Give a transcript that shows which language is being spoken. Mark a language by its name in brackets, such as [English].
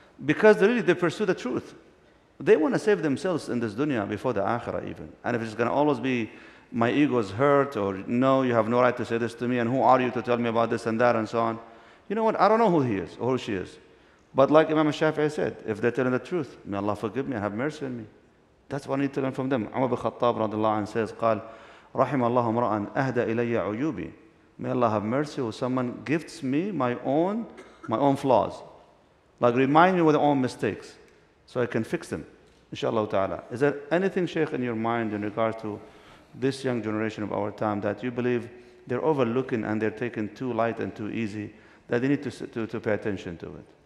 [English] Because really they pursue the truth. They want to save themselves in this dunya before the akhirah even. And if it's going to always be my ego is hurt, or no, you have no right to say this to me, and who are you to tell me about this and that and so on. You know what? I don't know who he is or who she is. But like Imam Shafi'i said, if they're telling the truth, may Allah forgive me and have mercy on me. That's what I need to learn from them. [Arabic] Umar bin Khattab radiallahu anhu says, قال رحم الله امرأ أهدى إلي عيوبي. [English] May Allah have mercy when someone gifts me my own flaws. Like remind me of my own mistakes so I can fix them, inshallah ta'ala. Is there anything, Shaykh, in your mind in regard to this young generation of our time that you believe they're overlooking and they're taking too light and too easy, that they need to pay attention to it?